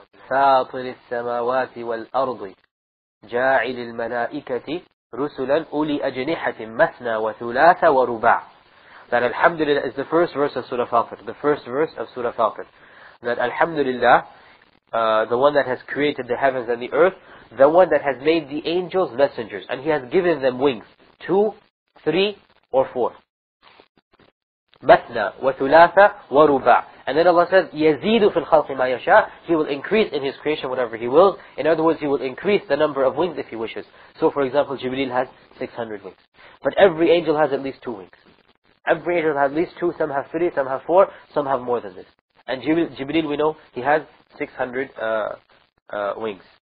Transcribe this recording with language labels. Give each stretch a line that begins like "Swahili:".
Arabic: فاطر السماوات والأرض جاعل الملائكة رسلا أولي أجنحة مثنى وثلاث ورباع.
English: That Alhamdulillah is the first verse of Surah Fatir. The first verse of Surah Fatir. That Alhamdulillah, the one that has created the heavens and the earth, the one that has made the angels messengers, and he has given them wings. 2, 3, or 4.
Arabic: مَثْنَا وَثُلَاثَ وَرُبَعَ.
English: And then Allah says,
Arabic: يَزِيدُ فِي الْخَلْقِ مَا يَشَاء.
English: He will increase in his creation whatever he wills. In other words, he will increase the number of wings if he wishes. So for example, Jibreel has 600 wings. But every angel has at least 2 wings. Every angel has at least 2, some have 3, some have 4, some have more than this. And Jibreel, we know, he has 600 wings.